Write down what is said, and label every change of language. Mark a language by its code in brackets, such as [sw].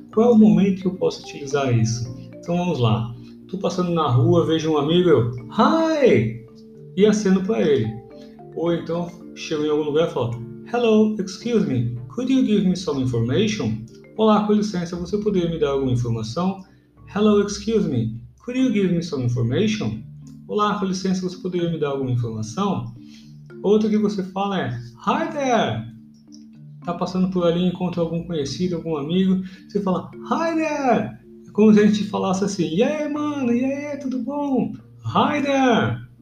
[pt] Qual é o momento que eu posso utilizar isso? Então, vamos lá. Tô passando na rua, vejo um amigo, eu, [en] hi! [pt] E aceno para ele. Ou então, chego em algum lugar e falo, [en] hello, excuse me, could you give me some information? [pt] Olá, com licença, você poderia me dar alguma informação? [en] Hello, excuse me, could you give me some information? [pt] Olá, com licença, você poderia me dar alguma informação? Outro que você fala é, [en] hi there! [pt] Tá passando por ali, encontra algum conhecido, algum amigo, você fala, [en] hi there! [pt] É como se a gente falasse assim, yeah, mano, yeah, tudo bom? [en] Hi there!